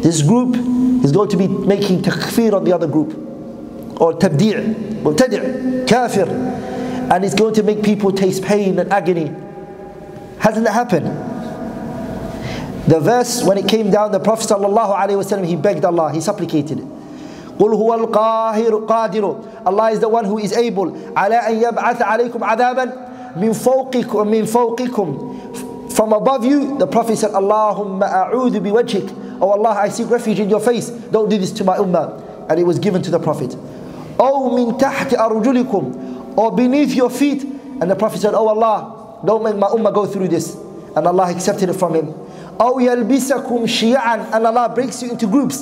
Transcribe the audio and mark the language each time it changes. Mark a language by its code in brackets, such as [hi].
[en] This group is going to be making takfir on the other group, or tabdi', mubtadi', kafir, and it's going to make people taste pain and agony. Hasn't that happened? The verse, when it came down, the Prophet sallallahu alaihi wasallam, he begged Allah, he supplicated. [ar] قُلْ هُوَ الْقَاهِرُ قَادِرُ, [en] Allah is the one who is able, [ar] عَلَىٰ أَن يَبْعَثَ عَلَيْكُمْ عَذَابًا مِنْ فَوْقِكُمْ, [en] from above you. The Prophet said, [ar] اللَّهُمَّ أَعُوذُ بِوَجْهِكَ, [en] oh Allah, I seek refuge in your face, don't do this to my ummah. And it was given to the Prophet. [ar] أَوْ مِنْ تَحْتِ أَرُجُلِكُمْ, [en] or beneath your feet. And the Prophet said, oh Allah, don't make my ummah go through this. And Allah accepted it from him. [ar] أَوْ يَلْبِسَكُمْ شِيَعًا, [en] and Allah breaks you into groups.